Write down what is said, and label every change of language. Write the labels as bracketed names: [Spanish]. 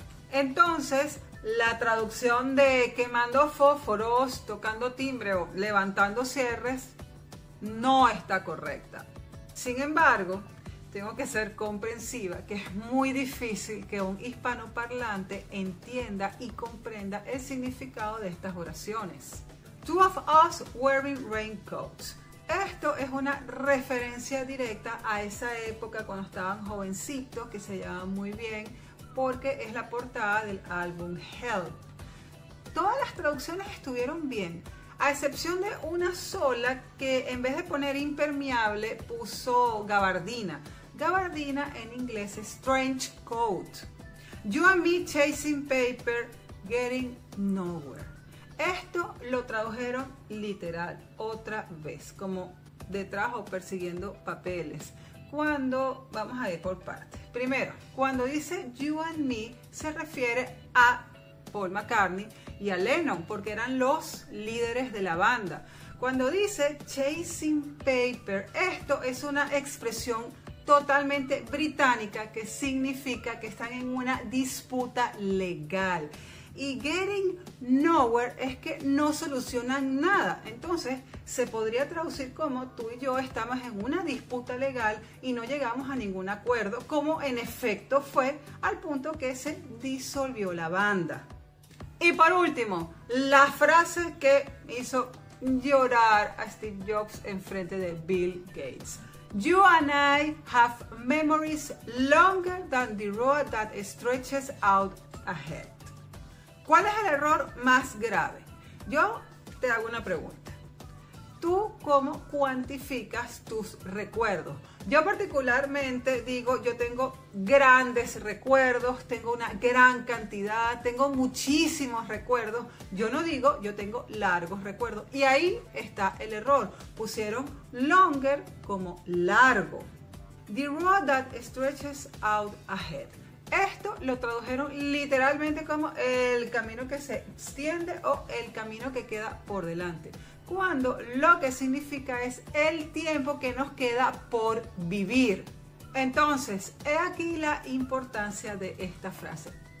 [Spanish] Entonces, la traducción de quemando fósforos, tocando timbre o levantando cierres no está correcta. Sin embargo, tengo que ser comprensiva que es muy difícil que un hispanoparlante entienda y comprenda el significado de estas oraciones. [English] Two of us wearing raincoats. [Spanish] Esto es una referencia directa a esa época cuando estaban jovencitos, que se llevaban muy bien, porque es la portada del álbum Help. Todas las traducciones estuvieron bien, a excepción de una sola que en vez de poner impermeable puso gabardina. Gabardina en inglés es trench coat. [English] You and me chasing paper, getting nowhere. [Spanish] Esto lo tradujeron literal otra vez, como detrás o persiguiendo papeles. Cuando, vamos a ir por partes. Primero, cuando dice [English] you and me, [Spanish] se refiere a Paul McCartney y a Lennon, porque eran los líderes de la banda. Cuando dice [English] chasing paper, [Spanish] esto es una expresión totalmente británica que significa que están en una disputa legal. Y [English] getting nowhere [Spanish] es que no solucionan nada. Entonces, se podría traducir como tú y yo estamos en una disputa legal y no llegamos a ningún acuerdo, como en efecto fue al punto que se disolvió la banda. Y por último, la frase que hizo llorar a Steve Jobs en frente de Bill Gates. [English] You and I have memories longer than the road that stretches out ahead. [Spanish] ¿Cuál es el error más grave? Yo te hago una pregunta. ¿Tú cómo cuantificas tus recuerdos? Yo particularmente digo, yo tengo grandes recuerdos, tengo una gran cantidad, tengo muchísimos recuerdos. Yo no digo, yo tengo largos recuerdos. Y ahí está el error. Pusieron longer como largo. [English] The road that stretches out ahead. [Spanish] Esto lo tradujeron literalmente como el camino que se extiende o el camino que queda por delante, cuando lo que significa es el tiempo que nos queda por vivir. Entonces, he aquí la importancia de esta frase.